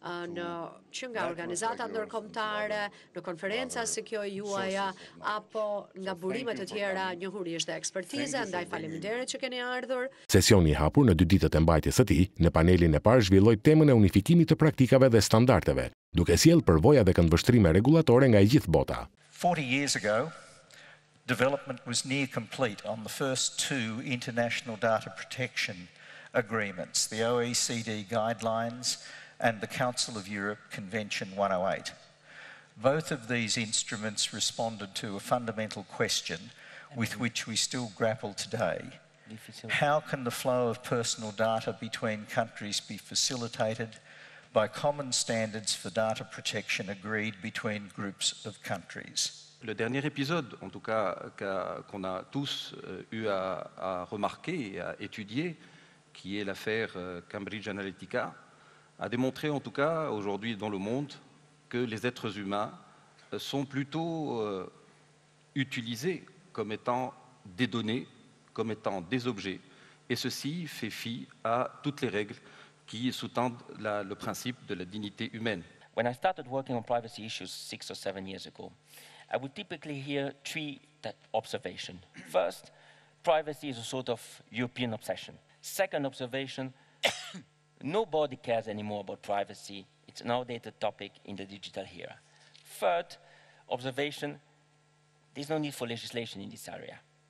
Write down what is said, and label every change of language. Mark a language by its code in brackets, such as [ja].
[sq] në që nga organizata ndërkombëtare, në konferenca si kjo juaja, apo nga burimet të tjera njohurisht dhe ekspertiza, ndaj faleminderit që keni ardhur. Sesioni hapur në dy ditët e mbajtjes së tij, në panelin e parë zhvilloi temën e unifikimit të praktikave dhe standardeve, duke sjell përvoja dhe këndvështrime regulatore nga e gjithë bota. [en] 40 years ago, development was near complete on the first two international data protection agreements, the OECD guidelines and the Council of Europe Convention 108. Both of these instruments responded to a fundamental question with which we still grapple today. How can the flow of personal data between countries be facilitated by common standards for data protection agreed between groups of countries? [fr] Le dernier épisode, en tout cas, qu'on a tous eu à remarquer et à étudier, qui est l'affaire Cambridge Analytica, a démontré en tout cas aujourd'hui dans le monde que les êtres humains sont plutôt utilisés comme étant des données, comme étant des objets. Et ceci fait fi à toutes les règles qui sous-tendent le principe de la dignité humaine. [en] When I started working on privacy issues 6 or 7 years ago, I would typically hear 3 observations. First, privacy is a sort of European obsession. Second observation, nobody cares anymore about privacy. It's an outdated topic in the digital era. Third observation, there's no need for legislation in this area.